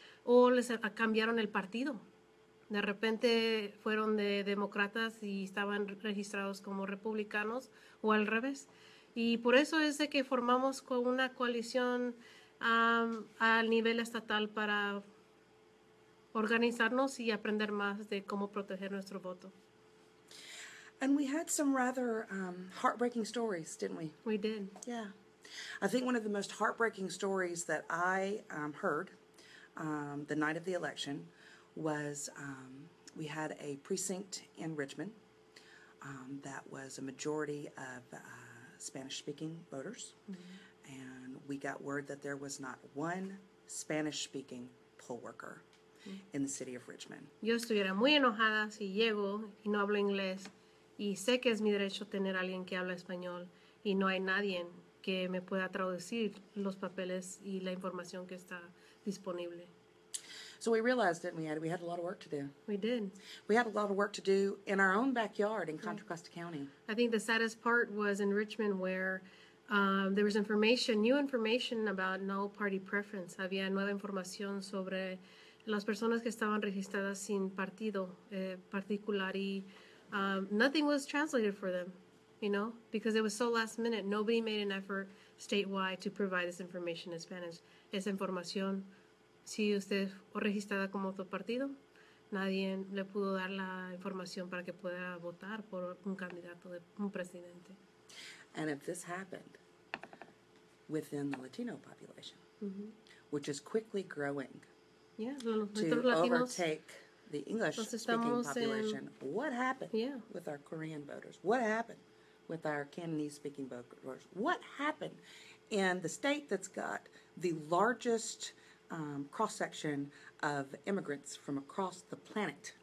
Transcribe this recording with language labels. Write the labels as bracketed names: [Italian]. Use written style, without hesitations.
[Spanish] O les cambiaron el partido. De repente fueron de demócratas y estaban registrados como republicanos o al revés. Y por eso es de que formamos con una coalición a nivel estatal para organizarnos y aprender más de cómo proteger nuestro voto. [English] And we had some rather heartbreaking stories, didn't we? We did. Yeah. I think one of the most heartbreaking stories that I heard the night of the election was we had a precinct in Richmond that was a majority of Spanish-speaking voters. Mm-hmm. And we got word that there was not one Spanish-speaking poll worker in the city of Richmond. [Spanish] Yo estuviera muy enojada si llego y no hablo inglés y sé que es mi derecho tener a alguien que habla español y no hay nadie que me pueda traducir los papeles y la información que está disponible. [English] So we realized, didn't we, Ady? We had a lot of work to do. We did. We had a lot of work to do in our own backyard in Contra Costa County. I think the saddest part was in Richmond where there was information, new information about no party preference. [Spanish] Había nueva información sobre las personas que estaban registradas sin partido particular. [English] Y nothing was translated for them, you know, because it was so last minute. Nobody made an effort statewide to provide this information in Spanish. [Spanish] Esa información, si usted fue registrada como otro partido, nadie le pudo dar la información para que pueda votar por un candidato, un presidente. [English] And if this happened within the Latino population, which is quickly growing to overtake the English-speaking population, what happened with our Korean voters? What happened with our Cantonese-speaking voters. What happened in the state that's got the largest cross-section of immigrants from across the planet?